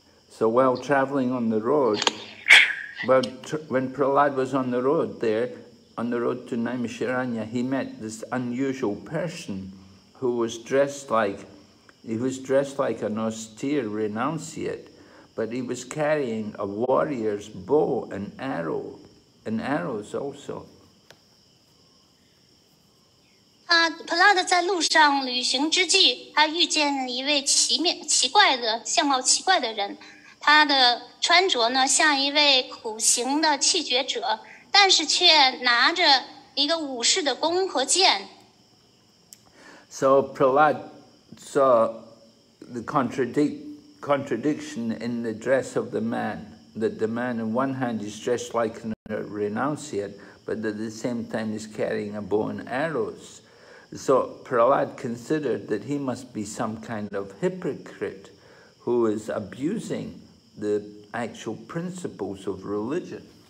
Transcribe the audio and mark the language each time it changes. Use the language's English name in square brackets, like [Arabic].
[English] So while traveling on the road, when Prahlad was on the road there, on the road to Naimisharanya, he met this unusual person who was dressed like, an austere renunciate, but he was carrying a warrior's bow and arrow, and arrows also. [Chinese] Prahlad 在路上旅行之际，他遇见了一位奇怪的相貌奇怪的人。他的穿着呢，像一位苦行的弃绝者，但是却拿着一个武士的弓和箭。 [English] So Prahlad saw the contradiction in the dress of the man. That the man, on one hand, is dressed like a renunciate, but at the same time, is carrying a bow and arrows. So Prahlad considered that he must be some kind of hypocrite who is abusing the actual principles of religion.